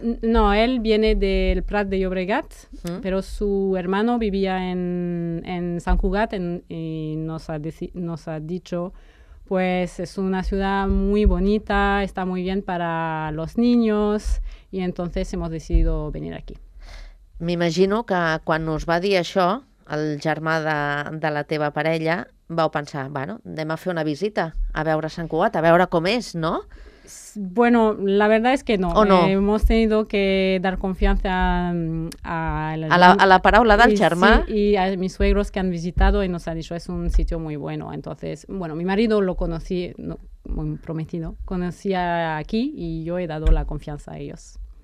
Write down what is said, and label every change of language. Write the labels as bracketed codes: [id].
[es] No, él viene del Prat de Llobregat, pero su hermano vivía en Sant Cugat y nos ha dicho, pues es una ciudad muy bonita, está muy bien para los niños y entonces hemos decidido venir aquí. [ca] M'imagino que quan us va dir això, el germà de la teva parella, vau pensar, bueno, anem a fer una visita a veure Sant Cugat, a veure com és, no? [es] Bueno, la verdad es que no. ¿O no? Hemos tenido que dar confianza [ca] a la paraula del germà. [es] Sí, y a mis suegros que han visitado y nos han dicho es un sitio muy bueno. Entonces, bueno, mi marido lo conocí, no, muy prometido, conocía aquí y yo he dado la confianza a ellos.